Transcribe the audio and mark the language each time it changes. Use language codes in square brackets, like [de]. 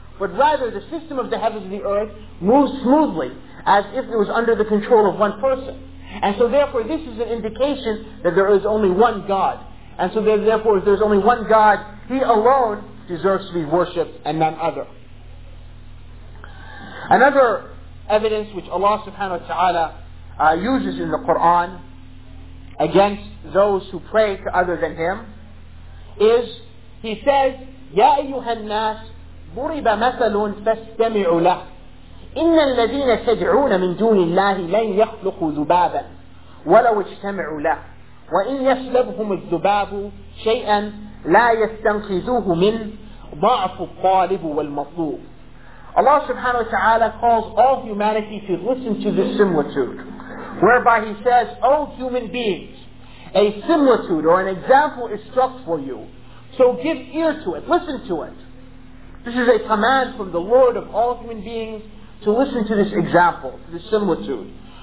[en] But rather, the system of the heavens and the earth moves smoothly, as if it was under the control of one person. And so therefore, this is an indication that there is only one God. And so therefore, if there's only one God, He alone deserves to be worshipped and none other. Another evidence which Allah subhanahu wa ta'ala uses in the Quran against those who pray to other than Him is, He says, [ar] يَا أَيُّهَا النَّاسِ ضُرِبَ مَثَلٌ فَاسْتَمِعُوا لَهُ إِنَّ الَّذِينَ تَدْعُونَ مِنْ دُونِ اللَّهِ لَنْ يَخْلُقُوا ذُبَابًا وَلَوْ اجْتَمِعُوا لَهُ وَإِنْ يَسْلَبْهُمُ الذُّبَابُ شَيْئًا لَا يَسْتَنْقِذُوهُ مِنْ ضَعْفُ الطَّالِبُ وَالْمَطْلُوبُ. [en] Allah subhanahu wa ta'ala calls all humanity to listen to this similitude, whereby He says, O human beings, a similitude or an example is struck for you. So give ear to it, listen to it. This is a command from the Lord of all human beings to listen to this example, this similitude.